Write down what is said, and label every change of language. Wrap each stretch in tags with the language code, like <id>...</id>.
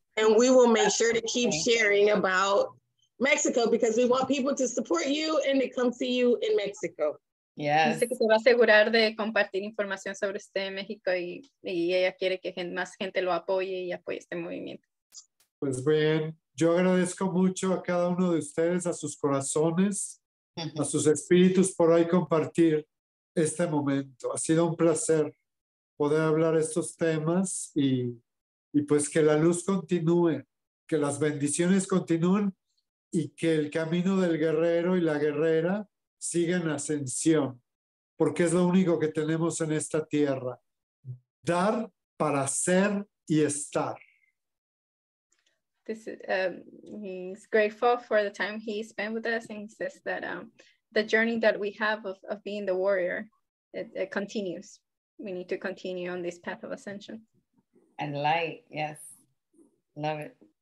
<en>And we will make sure to keep sharing about Mexico because we want people to support you and to come see you in Mexico. Yes.</en> <es>Dice que se va a asegurar de compartir información sobre en México y ella quiere que más gente lo apoye y apoye este movimiento. Pues bien, yo agradezco mucho a cada uno de ustedes, a sus corazones, a sus espíritus por ahí compartir este momento. Ha sido un placer poder hablar estos temas y pues que la luz continúe, que las bendiciones continúen y que el camino del guerrero y la guerrera siga en ascensión, porque es lo único que tenemos en esta tierra, dar para ser y estar.</es> <en>This is he's grateful for the time he spent with us, and he says that the journey that we have of being the warrior, it continues. We need to continue on this path of ascension. And light, yes. Love it.</en>